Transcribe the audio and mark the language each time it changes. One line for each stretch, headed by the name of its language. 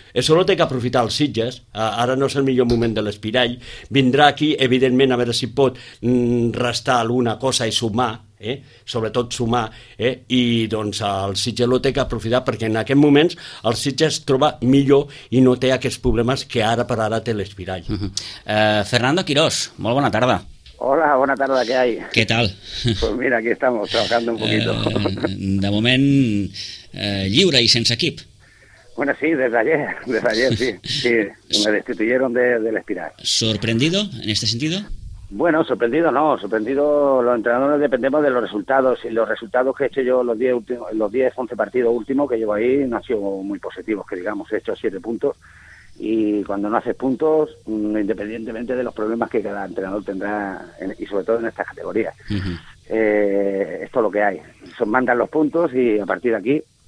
Catalan: Això no té que aprofitar els Sitges, ara no és el millor moment de l'Espirall, vindrà aquí, evidentment, a veure si pot restar alguna cosa i sumar, sobretot sumar, i doncs el Sitges l'ho té que aprofitar, perquè en aquests moments el Sitges es troba millor i no té aquests problemes que ara per ara té l'Espirall. Fernando Quirós, molt bona tarda. Hola, bona tarda,
Spanish: què hay?
Catalan: Què tal?
Spanish: Pues mira, aquí estamos, trabajando un poquito.
Catalan: De moment, lliure i sense equip.
Spanish: Bueno, sí, desde ayer, sí. Sí, me destituyeron de l'Espirall. ¿Sorprendido en este sentido? Bueno, sorprendido los entrenadores dependemos de los resultados, y los resultados que he hecho yo los 10, 11 partidos últimos que llevo ahí no han sido muy positivos, que digamos, he hecho 7 puntos, y cuando no haces puntos, independientemente de los problemas que cada entrenador tendrá, y sobre todo en estas categorías, esto es lo que hay, mandan los puntos y a partir de aquí...